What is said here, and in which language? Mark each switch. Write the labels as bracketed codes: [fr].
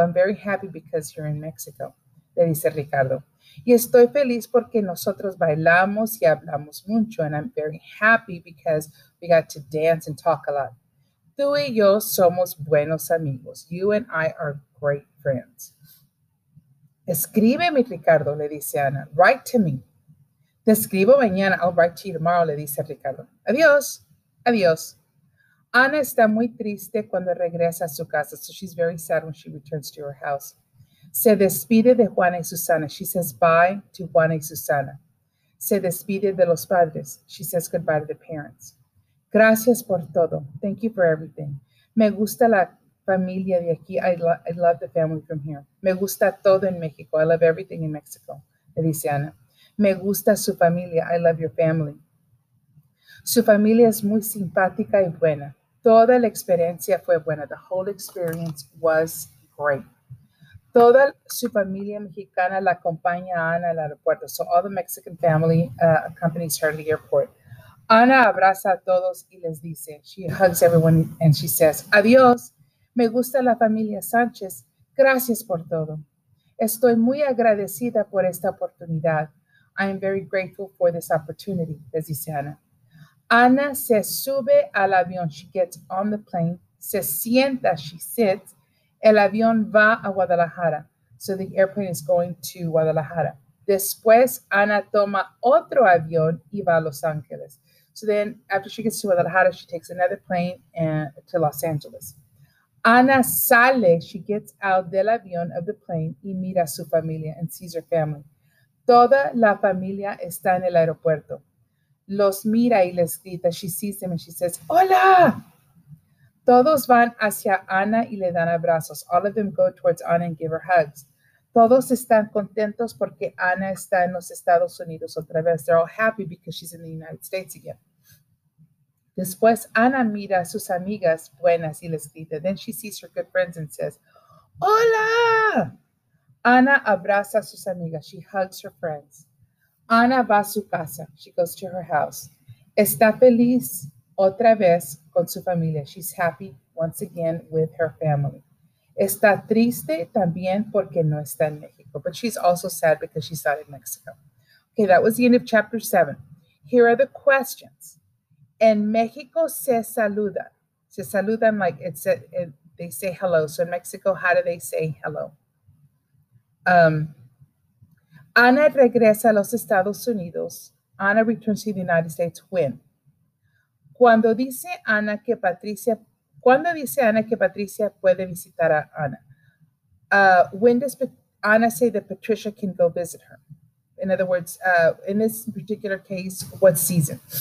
[en] I'm very happy because you're in Mexico, [es] le dice Ricardo. Y estoy feliz porque nosotros bailamos y hablamos mucho. [en] And I'm very happy because we got to dance and talk a lot. [es] Tú y yo somos buenos amigos. [en] You and I are great friends. [es] Escríbeme, Ricardo, le dice Ana. [en] Write to me. [es] Te escribo mañana. [en] I'll write to you tomorrow, [es] le dice Ricardo. Adiós. Adiós. Ana está muy triste cuando regresa a su casa. [en] So she's very sad when she returns to her house. [es] Se despide de Juana y Susana. [en] She says bye to Juana y Susana. [es] Se despide de los padres. [en] She says goodbye to the parents. [es] Gracias por todo. [en] Thank you for everything. [es] Me gusta la familia de aquí. [en] I love the family from here. [es] Me gusta todo en México. [en] I love everything in Mexico, [es] le dice Ana. Me gusta su familia. [en] I love your family. [es] Su familia es muy simpática y buena. Toda la experiencia fue buena. [en] The whole experience was great. [es] Toda su familia mexicana la acompaña a Ana al aeropuerto. [en] So all the Mexican family accompanies her to the airport. [es] Ana abraza a todos y les dice, [en] she hugs everyone and she says, [es] adiós, me gusta la familia Sánchez. Gracias por todo. Estoy muy agradecida por esta oportunidad. [en] I am very grateful for this opportunity, [es] les dice Ana. Ana se sube al avión. [en] She gets on the plane. [es] Se sienta. [en] She sits. [es] El avión va a Guadalajara. [en] So the airplane is going to Guadalajara. [es] Después, Ana toma otro avión y va a Los Angeles. [en] So then, after she gets to Guadalajara, she takes another plane to Los Angeles. [es] Ana sale. [en] She gets out [es] del avión [en] of the plane [es] y mira a su familia [en] and sees her family. [es] Toda la familia está en el aeropuerto. Los mira y les grita. [en] She sees them and she says, hola. [es] Todos van hacia Ana y le dan abrazos. [en] All of them go towards Ana and give her hugs. [es] Todos están contentos porque Ana está en los Estados Unidos otra vez. [en] They're all happy because she's in the United States again. [es] Después, Ana mira a sus amigas buenas y les grita. [en] Then she sees her good friends and says, hola. [es] Ana abraza a sus amigas. [en] She hugs her friends. [es] Ana va a su casa. [en] She goes to her house. [es] Está feliz otra vez con su familia. [en] She's happy once again with her family. [es] Está triste también porque no está en México. [en] But she's also sad because she's not in Mexico. Okay, that was the end of chapter 7. Here are the questions. [es] En México se saluda. Se saludan [en] like it's they say hello. So in Mexico, how do they say hello? [es] Ana regresa a los Estados Unidos. [en] Ana returns to the United States when? [es] Cuando dice Ana que Patricia puede visitar a Ana? [en] When does Ana say that Patricia can go visit her? In other words, in this particular case, what season?